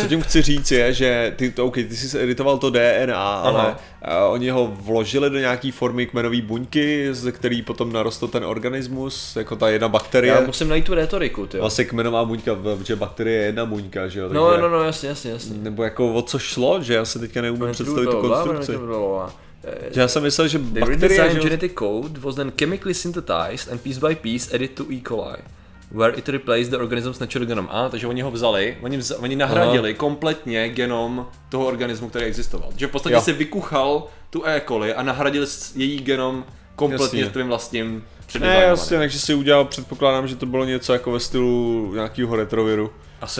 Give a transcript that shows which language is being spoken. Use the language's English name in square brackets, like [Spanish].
[Czech] Co tím chci říct je, že ty jsi editoval to DNA, ale oni ho vložili do nějaký formy kmenové buňky, ze který potom narostl ten organismus, jako ta jedna bakterie. Já musím najít tu retoriku, ty. Vlastně kmenová buňka, že bakterie je jedna buňka, že jo? No, jasně. Nebo jako o co šlo, že já se teďka neumím představit tu konstrukci. Já jsem myslel, že bakterie... [English] The genetic code was then chemically synthesized and piece by piece added to E. coli, where it replaced the organism's natural genome. [Czech] A, takže oni ho vzali, oni nahradili kompletně genom toho organismu, který existoval. Takže v podstatě se vykuchal tu E. coli a nahradil její genom kompletně s tvým vlastním předivánem. Ne, jasně, takže si udělal, předpokládám, že to bylo něco jako ve stylu nějakého retroviru. Asi.